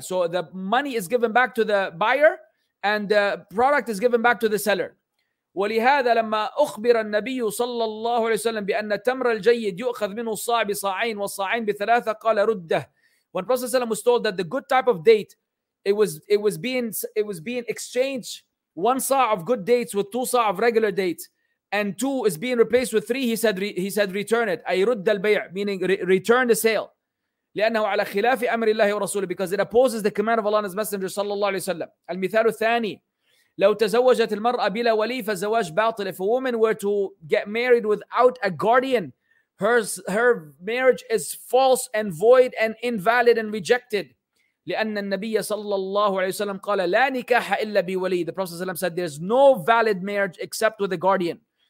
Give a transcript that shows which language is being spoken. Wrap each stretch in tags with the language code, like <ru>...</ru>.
<en>So the money is given back to the buyer and the product is given back to the seller.</en> <ar>ولهذا لما أخبر النبي صلى الله عليه وسلم بأن التمر الجيد يؤخذ منه الصاع بصاعين والصاعين بثلاثة قال رده.</ar> <en>When Prophet ﷺ was told that the good type of date it was being exchanged, one saw of good dates with two saw of regular dates, and two is being replaced with three, he said return it.</en> <ar>أي رد البيع,</ar> <en>meaning return the sale.</en> <ar>لأنه على خلاف أمر الله ورسوله,</ar> <en>because it opposes the command of Allah's Messenger</en> <ar>صلى الله عليه وسلم. المثال الثاني, لو تزوجت المرأة بلا ولي فالزواج باطل.</ar> <en>If a woman were to get married without a guardian, her marriage is false and void and invalid and rejected.</en> <ar>لأن النبي صلى الله عليه وسلم قال لا نكاح إلا بولي.</ar> <en>The Prophet ﷺ said there's no valid marriage except with a guardian.</en>